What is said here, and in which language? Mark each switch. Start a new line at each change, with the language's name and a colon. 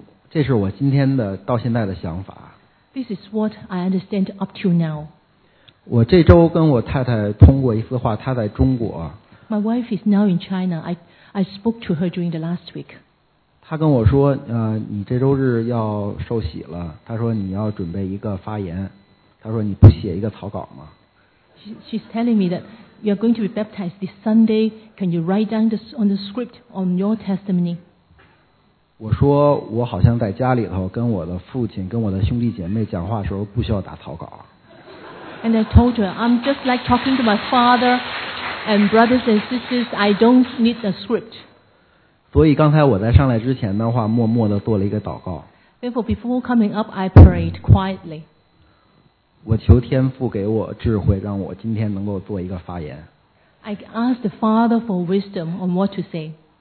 Chinese: 这是我今天的到现在的想法。
English: This is what I understand up to now.
Chinese: 我这周跟我太太通过一次话，她在中国。
English: My wife is now in China. I spoke to her during the last week.
Chinese: 她跟我说，你这周日要受洗了。她说你要准备一个发言。她说你不写一个草稿吗
English: ？She's telling me that you are going to be baptized this Sunday. Can you write down this on the script on your testimony?
Chinese: 我说我好像在家里头跟我的父亲、跟我的兄弟姐妹讲话的时候不需要打草稿。
English: And I told her, I'm just like talking to my father and brothers and sisters. I don't need a script.
Chinese: 所以刚才我在上来之前的话，默默地做了一个祷告。
English: Therefore, before coming up, I prayed quietly.
Chinese: 我求天父给我智慧，让我今天能够做一个发言。
English: I ask the Father for wisdom on what to say.